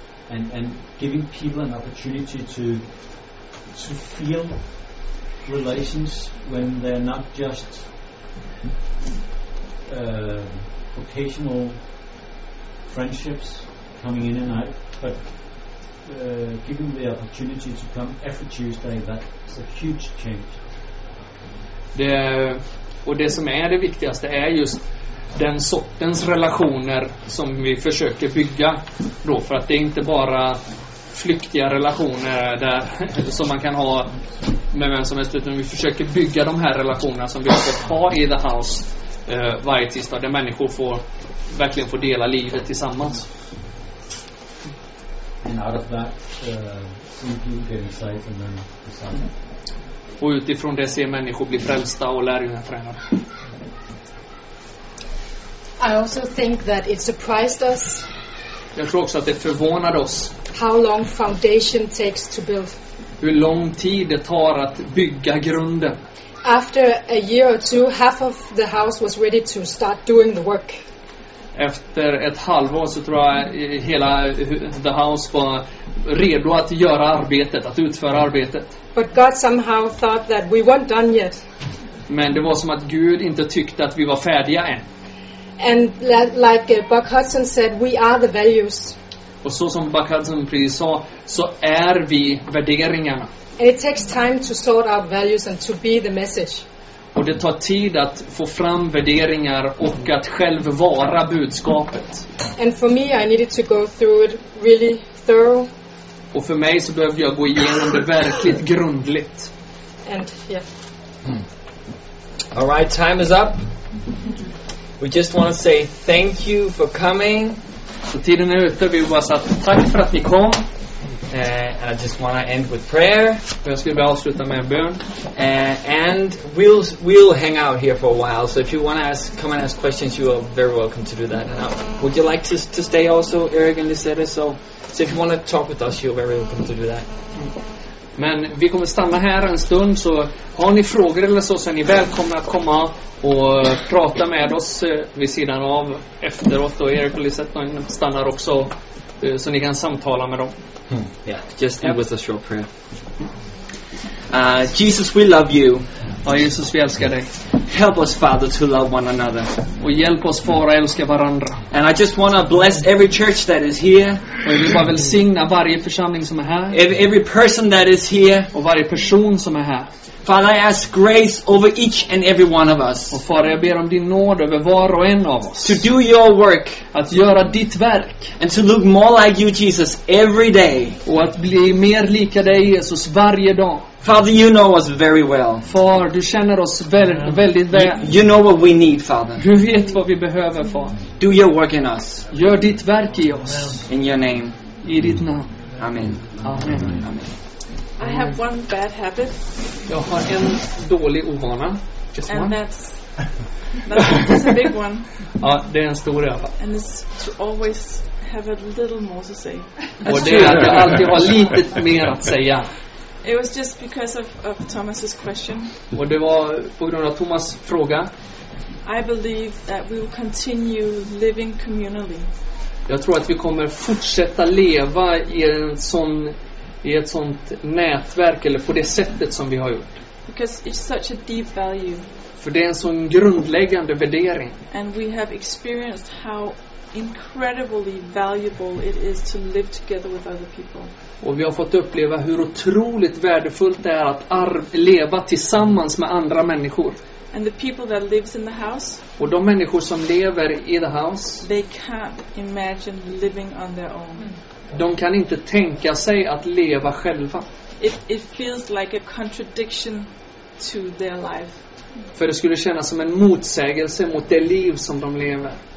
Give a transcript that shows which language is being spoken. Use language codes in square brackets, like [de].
[en] And giving people an opportunity to feel relations when they're not just occasional friendships coming in and out, but giving the opportunity to come every Tuesday, that's a huge change. [sv] Det som är det viktigaste är just den sortens relationer som vi försöker bygga då, för att det är inte bara flyktiga relationer där som man kan ha med vem som helst, utan vi försöker bygga de här relationerna som vi har fått ha i The House varje tisdag, där människor får verkligen få dela livet tillsammans. [en] And out of that, and then [sv] och utifrån det ser människor bli frälsta och lärjungar tränade. [en] I also think that it surprised us. [sv] Jag tror också att det förvånade oss. [en] How long foundation takes to build? [sv] Hur lång tid det tar att bygga grunden. [en] After a year or two, half of the house was ready to start doing the work. [sv] Efter ett halvår så tror jag hela The House var redo att göra arbetet, att utföra arbetet. [en] But God somehow thought that we weren't done yet. [sv] Men det var som att Gud inte tyckte att vi var färdiga än. [en] And like Buck Hudson said, we are the values. [sv] Och så som Buck Hudson precis sa, så är vi värderingarna. [en] And it takes time to sort out values and to be the message. [sv] Och det tar tid att få fram värderingar och att själv vara budskapet. [en] And for me, I needed to go through it really thorough. [sv] Och för mig så behövde jag gå igenom det verkligt grundligt. [en] And yeah. Hmm. All right, time is up. We just want to say thank you for coming. [sv] Så tiden är ute. Vi vill säga tack för att ni kom. [en] And I just want to end with prayer. [sv] Jag skulle bara avsluta med en bön. [en] And we'll hang out here for a while. So if you want to come and ask questions, you are very welcome to do that. Now, would you like to stay also, Eric and Lisette? So if you want to talk with us, you're very welcome to do that. [sv] Men vi kommer stanna här en stund, så har ni frågor eller så är ni välkomna att komma och prata med oss vid sidan av efteråt, och Erik och Lisette stannar också så ni kan samtala med dem. [en] Just with a short prayer. Jesus, we love you. [sv] Jesus, vi älskar dig. [en] Help us, Father, to love one another. [sv] Och hjälp oss, Far, att älska varandra. [en] And I just want to bless every church that is here. [sv] Och vi bara välsigna varje församling som är här. [en] Every person that is here. [sv] Och varje person som är här. [en] Father, I ask grace over each and every one of us. [sv] Och Far, jag ber om din nåd över var och en av oss. [en] To do your work. [sv] Att göra ditt verk. [en] And to look more like you, Jesus, every day. [sv] Och att bli mer lika dig, Jesus, varje dag. [en] Father, you know us very well. [sv] Far, du känner oss väldigt väl. [en] You know what we need, Father. [sv] Du vet vad vi behöver, Far. [en] Do your work in us. [sv] Gör ditt verk i oss. [en] In your name. [sv] I ditt namn. [en] Amen. [sv] Amen. Amen. [en] I have one bad habit. [sv] Jag har en dålig ovana. Just [en] and one. That's a big one. [sv] Ja, det är en stor i alla fall. [en] And it's to always have a little more to say. [sv] Och det är att jag alltid har lite mer att säga. [en] It was just because of Thomas's question. [sv] Och det var på grund av Thomas fråga. [en] I believe that we will continue living communally. [sv] Jag tror att vi kommer fortsätta leva i ett sånt nätverk, eller på det sättet som vi har gjort. [en] Because it's such a deep value. [sv] För det är en sån grundläggande värdering. [en] And we have experienced how incredibly valuable it is to live together with other people. [sv] Och vi har fått uppleva hur otroligt värdefullt det är att leva tillsammans med andra människor. [en] And the people that lives in the house, [sv] och de människor som lever i the house, [en] they can't imagine living on their own. [sv] De kan inte tänka sig att leva själva. [en] It feels like a contradiction to their life. [sv] För det skulle kännas som en motsägelse mot det liv som de lever.